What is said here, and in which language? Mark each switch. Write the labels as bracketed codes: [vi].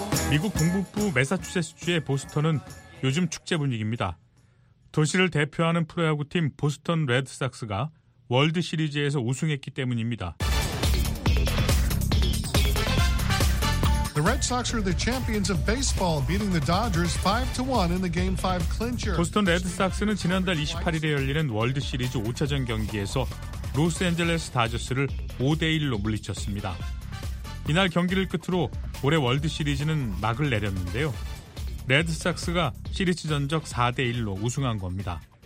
[ko] 미국 동북부 매사추세츠주의 보스턴은 요즘 축제 분위기입니다. 도시를 대표하는 프로야구팀 보스턴 레드삭스가 월드시리즈에서 우승했기 때문입니다. [en] The Red Sox are the champions of baseball, beating the Dodgers 5-1 in the Game 5 clincher. [ko] 보스턴 레드삭스는 지난달 28일에 열리는 월드시리즈 5차전 경기에서 로스앤젤레스 다저스를 5-1로 물리쳤습니다. 이날 경기를 끝으로 올해 월드시리즈는 막을 내렸는데요. 레드삭스가 시리즈 전적 4-1로 우승한 겁니다.